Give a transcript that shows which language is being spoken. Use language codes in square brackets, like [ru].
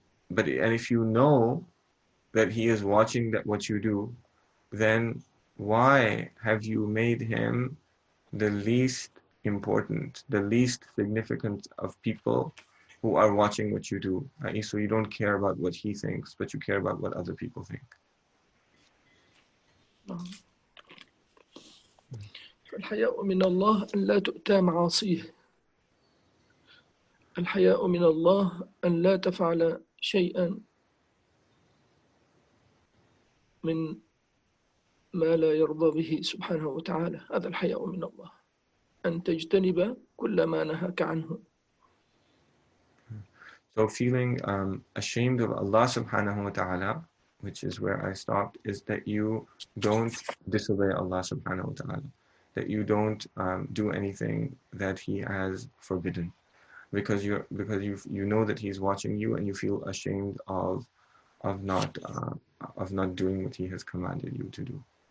[en] But if you know that He is watching that what you do, then why have you made Him the least important, the least significant of people who are watching what you do? So you don't care about what He thinks, but you care about what other people think. [ar] الحياء من الله أن لا تؤتى معاصيه الحياء من الله أن لا تفعل شيئا من ما لا يرضى به سبحانه وتعالى هذا الحياء من الله أن تجتنب كل ما نهاك عنه. [en] So feeling ashamed of Allah subhanahu wa ta'ala, which is where I stopped, is that you don't disobey Allah subhanahu wa ta'ala, that you don't do anything that He has forbidden, because you know that He's watching you and you feel ashamed of not doing what He has commanded you to do.